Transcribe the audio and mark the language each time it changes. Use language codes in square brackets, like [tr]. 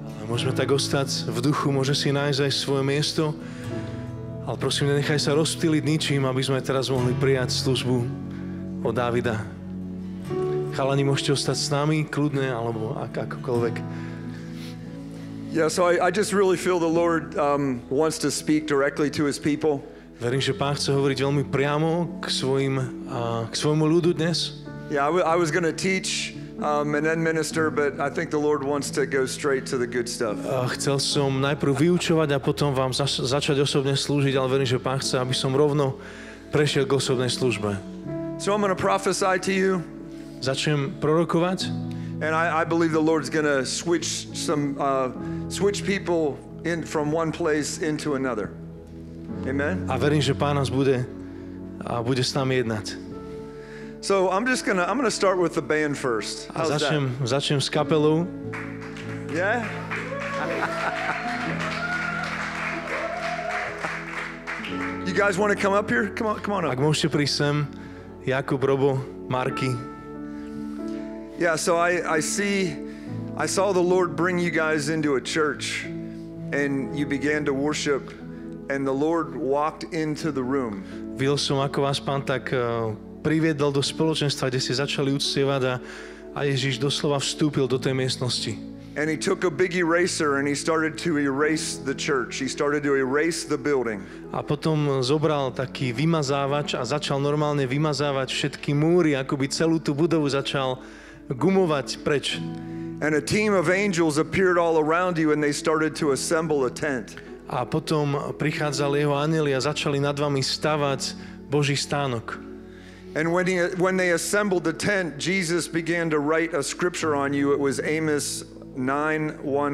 [sk] Môžeme tak ostať v duchu, môže si nájsť aj svoje miesto, ale prosím, nenechaj sa rozptýliť ničím, aby sme teraz mohli prijať službu od Dávida. Chalani, môžete ostať s nami, kľudne, alebo akokoľvek. [en] Yeah, so I just really feel the Lord wants to speak directly to his people. [sk] Verím, že Pán chce hovoriť veľmi priamo k svojmu ľudu dnes. [en] Yeah, I was going to teach and then minister, but I think the Lord wants to go straight to the good stuff. [sk] Chcel som najprv vyučovať a potom vám začať osobne slúžiť, ale verím, že Pán chce, aby som rovno prešiel k osobnej službe. [en] So I'm going to prophesy to you. [sk] Začnem prorokovať. [en] And I believe the Lord's going to switch some switch people in from one place into another. Amen. [sk] A verím, že Pán nás bude a bude s nami jednať. [en] So I'm gonna start with the band first. How's that? [sk] Začnem s kapelou. Yeah. [en] You guys want to come up here? Come on up. [sk] Ak môžete prísť sem, Jakub, Robo, Marky. Yeah. [en] So I saw the Lord bring you guys into a church, and you began to worship, and the Lord walked into the room. [sk] Videl som, ako vás Pán tak priviedol do spoločenstva, kde si začali uctievať a Ježiš doslova vstúpil do tej miestnosti. [en] And he took a big eraser and he started to erase the church. He started to erase the building. [sk] A potom zobral taký vymazávač a začal normálne vymazávať všetky múry, akoby celú tú budovu začal gumovať preč. [en] And a team of angels appeared all around you and they started to assemble a tent. [sk] A potom prichádzali jeho anjeli a začali nad vami stavať Boží stánok. [en] And when they assembled the tent, Jesus began to write a scripture on you. It was Amos 9:1.